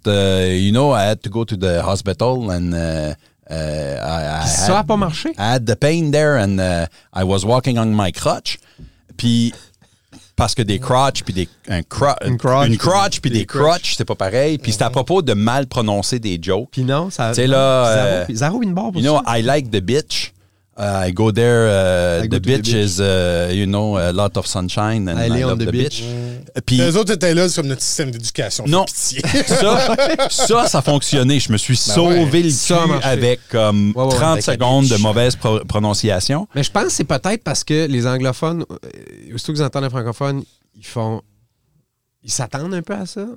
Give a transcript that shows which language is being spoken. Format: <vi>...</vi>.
<en>you know, I had to go to the hospital and...</en> <fr>ça a pas marché.</fr> <en>I had the pain there and I was walking on my crutch. »</en> <fr>Puis... parce que des crotches puis des une crotch puis des crotches, c'est pas pareil. Puis c'est à propos de mal prononcer des jokes. Puis non, ça. Tu sais là, Zaro une barbe.</fr> <en>You know, I like the bitch. I go there. The bitch is, you know, a lot of sunshine and I love the bitch.</en> <fr>Puis les autres étaient là, c'est comme notre système d'éducation. Non, ça fonctionnait. Je me suis sauvé le cul avec comme 30 secondes de mauvaise prononciation. Mais je pense que c'est peut-être parce que les anglophones, surtout qu'ils entendent les francophones, ils s'attendent un peu à ça.</fr>